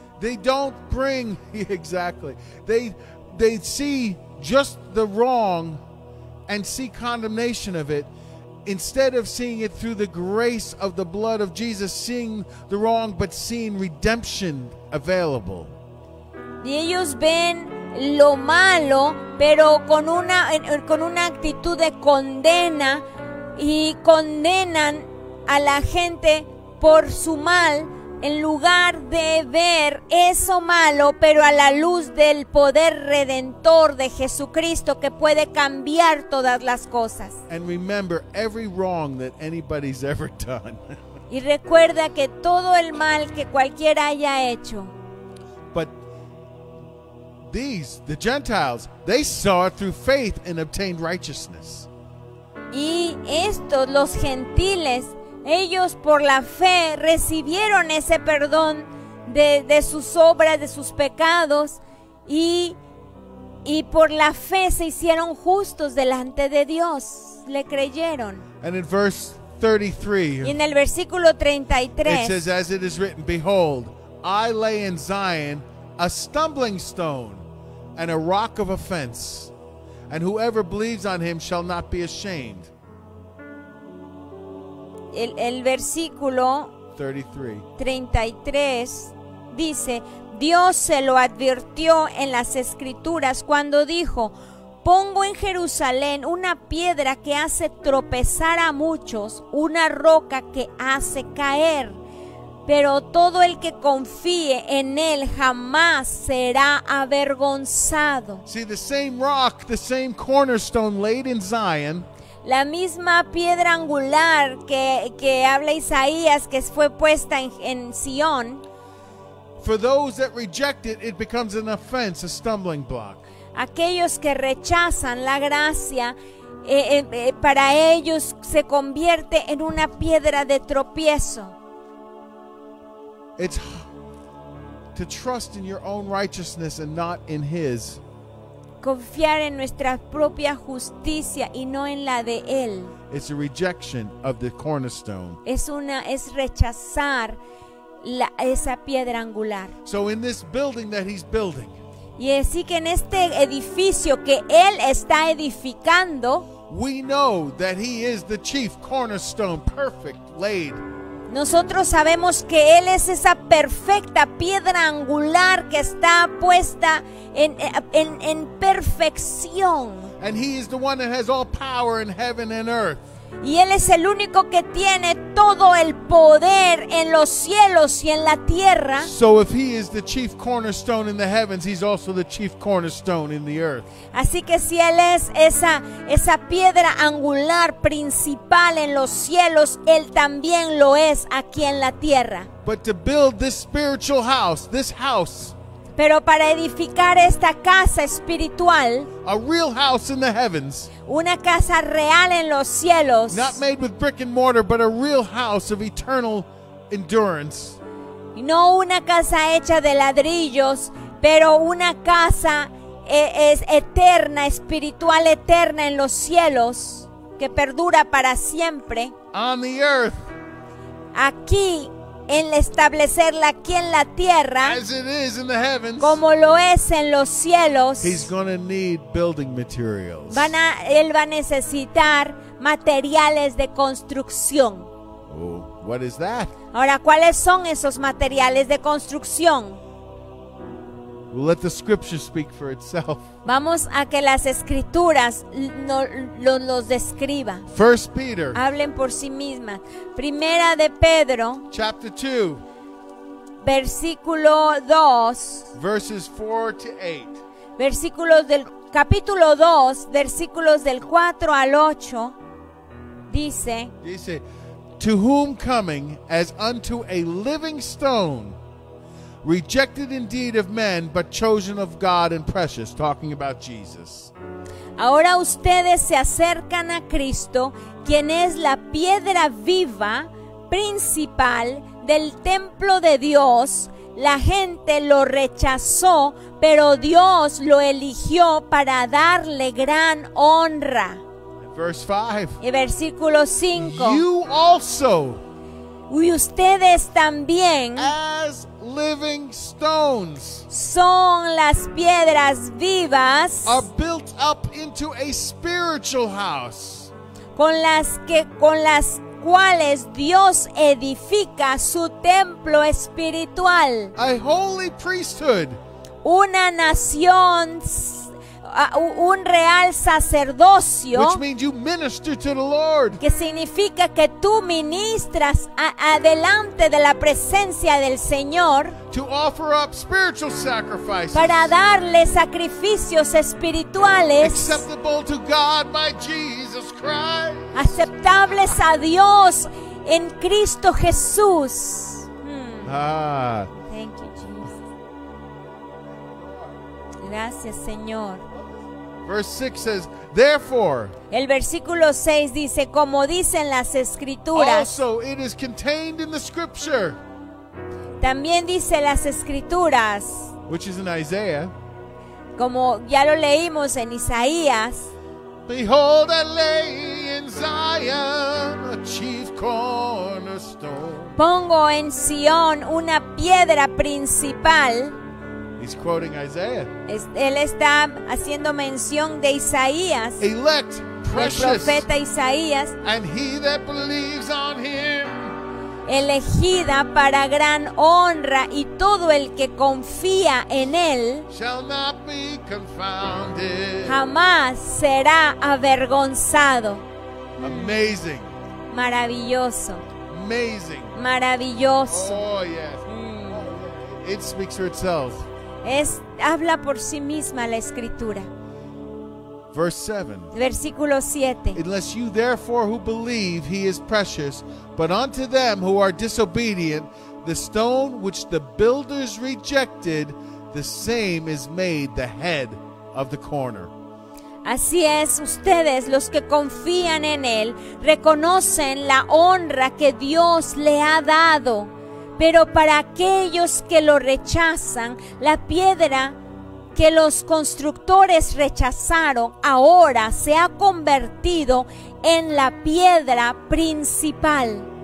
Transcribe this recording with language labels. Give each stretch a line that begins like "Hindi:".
English: They don't bring exactly. They see just the wrong and see condemnation of it instead of seeing it through the grace of the blood of Jesus, seeing the wrong but seeing redemption available.
Spanish: Y ellos ven lo malo, pero con una actitud de condena, y condenan a la gente por su mal en lugar de ver eso malo, pero a la luz del poder redentor de Jesucristo, que puede cambiar todas las cosas.
English: And remember every wrong that anybody's ever done.
Spanish: Y recuerda que todo el mal que cualquiera haya hecho.
English: But these, the Gentiles, they saw it through faith and obtained righteousness.
Spanish: Y estos, los gentiles, ellos por la fe recibieron ese perdón de sus obras, de sus pecados, y por la fe se hicieron justos delante de Dios, le creyeron.
English: And in verse 33,
Spanish: y en el versículo 33,
English: it says, as it is written, behold, I lay in Zion a stumbling stone and a rock of offense, and whoever believes on him shall not be ashamed.
Spanish: El versículo 33 dice, Dios se lo advirtió en las Escrituras cuando dijo, pongo en Jerusalén una piedra que hace tropezar a muchos, una roca que hace caer, pero todo el que confíe en él jamás será avergonzado.
English: See, the same rock, the same cornerstone laid in Zion.
Spanish: La misma piedra angular que habla Isaías, que fue puesta en Sion.
English: For those that reject it, it becomes an offense, a stumbling block.
Spanish: Aquellos que rechazan la gracia, para ellos se convierte en una piedra de tropiezo.
English: It's to trust in your own righteousness and not in his.
Spanish: Confiar en nuestra propia justicia y no en la de él.
English: It's a rejection of the cornerstone.
Spanish: Es rechazar esa piedra angular.
English: So in this building that he's building.
Spanish: Y así que en este edificio que él está edificando,
English: we know that he is the chief cornerstone, perfect laid.
Spanish: Nosotros sabemos que él es esa perfecta piedra angular que está puesta en perfección.
English: And he is the one that has all power in heaven and earth.
Spanish: Y él es el único que tiene todo el poder en los cielos y en la tierra.
English: So if he is the chief cornerstone in the heavens, he's also the chief cornerstone in the earth.
Spanish: Así que si él es esa piedra angular principal en los cielos, él también lo es aquí en la tierra.
English: But to build this spiritual house, this house.
Spanish: Pero para edificar esta casa espiritual,
English: a real house in the heavens,
Spanish: una casa real en los cielos,
English: not made with brick and mortar, but a real house of eternal endurance,
Spanish: no una casa hecha de ladrillos, pero una casa es eterna, espiritual eterna en los cielos, que perdura para siempre,
English: on the earth,
Spanish: aquí en establecerla aquí en la tierra,
English: as it is in the heavens,
Spanish: como lo es en los cielos,
English: he's gonna need building materials.
Spanish: Él va a necesitar materiales de construcción.
English: Oh, what is that?
Spanish: Ahora, ¿cuáles son esos materiales de construcción?
English: We'll let the scripture speak for itself.
Spanish: Vamos a que las escrituras los describa.
English: First Peter.
Spanish: Hablen por sí mismas. Primera de Pedro.
English: Chapter 2.
Spanish: Versículo 2.
English: Verses 4 to 8.
Spanish: Versículos del capítulo 2, versículos del 4 al 8. Dice,
English: to whom coming as unto a living stone, rejected indeed of men, but chosen of God and precious. Talking about Jesus.
Spanish: Ahora ustedes se acercan a Cristo, quien es la piedra viva principal del templo de Dios. La gente lo rechazó, pero Dios lo eligió para darle gran honra.
English: Verse 5.
Spanish: Y versículo 5.
English: You also.
Spanish: Y ustedes también.
English: As living stones,
Spanish: son las piedras vivas,
English: are built up into a spiritual house,
Spanish: con las cuales Dios edifica su templo espiritual,
English: a holy priesthood,
Spanish: una nación, un real sacerdocio,
English: which means you minister to the Lord,
Spanish: que significa que tú ministras adelante de la presencia del Señor,
English: to offer up spiritual sacrifices,
Spanish: para darle sacrificios espirituales,
English: acceptable to God by Jesus Christ,
Spanish: aceptables a Dios en Cristo Jesús.
English: Thank you, Jesus.
Spanish: Gracias, Señor.
English: Verse 6 says, therefore.
Spanish: El versículo 6 dice, como dicen las escrituras.
English: Also, it is contained in the scripture.
Spanish: También dice las escrituras.
English: Which is in Isaiah.
Spanish: Como ya lo leímos en Isaías.
English: Behold, I lay in Zion a chief cornerstone.
Spanish: Pongo en Sion una piedra principal.
English: He's quoting Isaiah.
Spanish: Él está haciendo mención de Isaías.
English: Elect, precious.
Spanish: El profeta Isaías.
English: And he that believes on him.
Spanish: Elegida para gran honra y todo el que confía en él.
English: Shall not be confounded.
Spanish: Jamás será avergonzado.
English: Amazing.
Spanish: Maravilloso.
English: Amazing.
Spanish: Maravilloso.
English: Oh yes. It speaks for itself.
Spanish: Habla por sí misma la escritura.
English: Verse 7.
Spanish: Versículo 7.
English: Unless you therefore who believe he is precious, but unto them who are disobedient, the stone which the builders rejected, the same is made the head of the corner.
Spanish: Así es, ustedes los que confían en Él reconocen la honra que Dios le ha dado. Pero para aquellos que lo rechazan, la piedra que los constructores rechazaron ahora se ha convertido en la piedra principal.